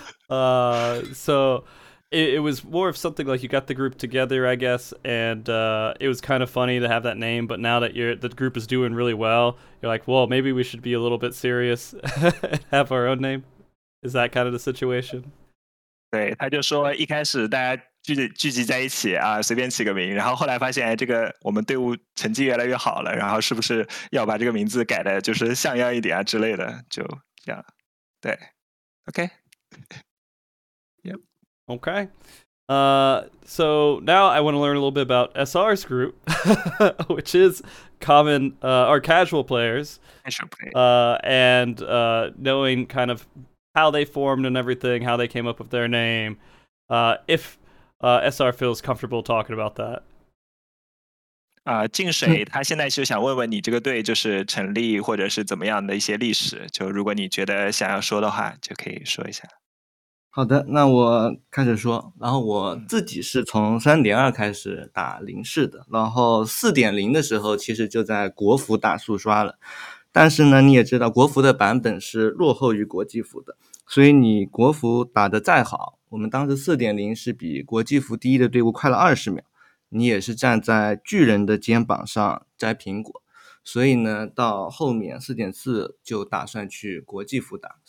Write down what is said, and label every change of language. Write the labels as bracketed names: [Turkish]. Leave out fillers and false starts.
[English] So it was more of something like you got the group together, I guess, and it was kind of funny to have that name, but now that the group is doing really well, you're like, well, maybe we should be a little bit serious and have our own name. Is that kind of the situation? [Chinese] 对，他就说一开始大家聚集在一起啊，随便起个名，然后后来发现哎，这个我们队伍成绩越来越好了，然后是不是要把这个名字改的就是像样一点啊之类的，就这样。对 ，OK， [English] yep. Okay. So now I want to learn a little bit about SR's group, which is common or casual players, knowing kind of how they formed and everything, how they came up with their name, if SR feels comfortable talking about that. [Chinese] 静水，他现在就想问问你这个队就是成立或者是怎么样的一些历史，就如果你觉得想要说的话就可以说一下。好的，那我开始说。然后我自己是从 3.2 开始打零式的，然后 4.0 的时候其实就在国服打速刷了，但是呢你也知道国服的版本是落后于国际服的，所以你国服打得再好，我们当时 4.0 是比国际服第一的队伍快了20秒，你也是站在巨人的肩膀上摘苹果，所以呢到后面 4.4 就打算去国际服打。